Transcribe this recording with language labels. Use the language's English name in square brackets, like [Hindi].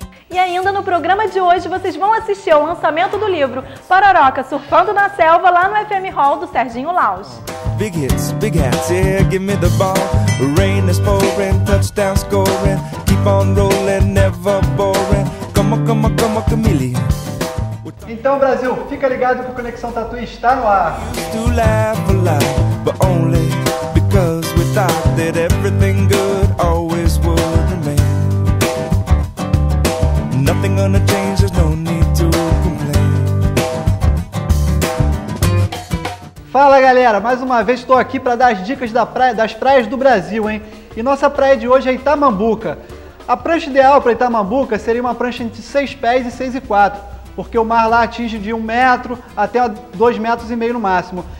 [Portuguese] E ainda no programa de hoje vocês vão assistir ao lançamento do livro Pararoca Surfando na Selva lá no FM Hall do Serginho Laus. [English] Big hits, yeah, give me the ball. Rain is pouring, touchdown scoring. Keep on rolling, never boring. Come on, come on, come on, chameleon. [Portuguese] Então, Brasil, fica ligado que o Conexão Tatuí está no ar. [English] Used to laugh a lot, but only because we thought that everything good always would remain. Nothing gonna change, there's no need to complain. [Portuguese] Fala galera, mais uma vez estou aqui para dar as dicas das praias do Brasil, hein? E nossa praia de hoje é Itamambuca. A prancha ideal para Itamambuca seria uma prancha entre 6 pés e 6 e 4, porque o mar lá atinge de 1 metro até 2 metros e meio no máximo.